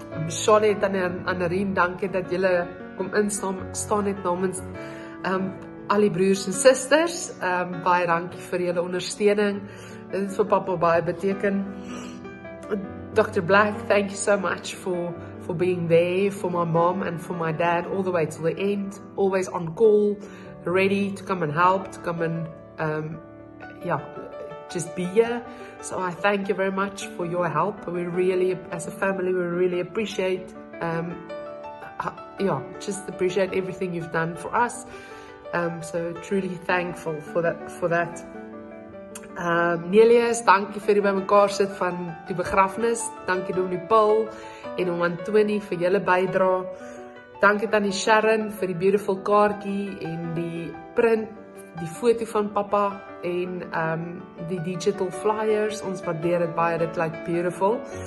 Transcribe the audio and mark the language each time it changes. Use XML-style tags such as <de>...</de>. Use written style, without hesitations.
<af>Shani, Tannie Anarien, dankie dat jy kom instaan, staan het namens al die broers en sisters. Baie dankie vir jy ondersteuning, dit is vir papa baie beteken.</af> <en>Dr. Black, thank you so much for being there, for my mom and for my dad, all the way to the end, always on call, ready to come and help, to come and just be here. So I thank you very much for your help. We really, as a family, we really appreciate appreciate everything you've done for us. So truly thankful for that.</en> <af>Nelius, dankie vir die bymekaar sit van die begrafnis. Dankie Dominee Paul en om Antonie vir julle bydra. Dankie aan die Sharon vir die beautiful kaartjie en die print, die foto van papa en die digital flyers, ons waardeer dit baie, dit lyk beautiful.</af>